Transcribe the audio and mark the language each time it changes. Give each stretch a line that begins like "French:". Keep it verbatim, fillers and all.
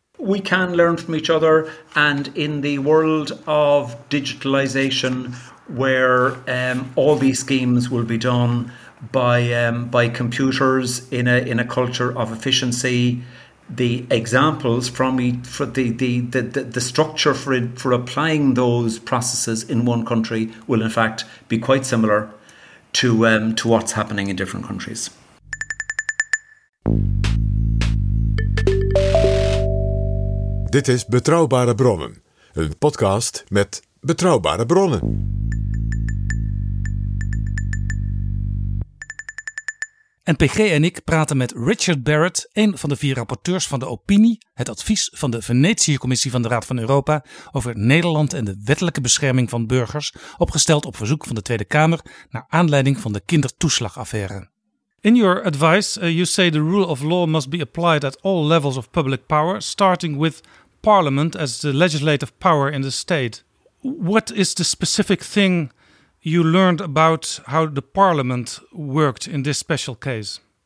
English: We can learn from each other. And in the world of digitalization, where um, all these schemes will be done by um, by computers in a in a culture of efficiency, the examples from for the, the, the, the structure for it, for applying those processes in one country will in fact be quite similar to um, to what's happening in different countries.
Dutch: Dit is Betrouwbare Bronnen, een podcast met betrouwbare bronnen. En P G en ik praten met Richard Barrett, een van de vier rapporteurs van de opinie, het advies van de Venetië-commissie van de Raad van Europa over Nederland en de wettelijke bescherming van burgers, opgesteld op verzoek van de Tweede Kamer naar aanleiding van de kindertoeslagaffaire.
English: In your advice, uh, you say the rule of law must be applied at all levels of public power, starting with Parliament as the legislative power in the state. What is the specific thing you learned about how the Parliament worked in this special case?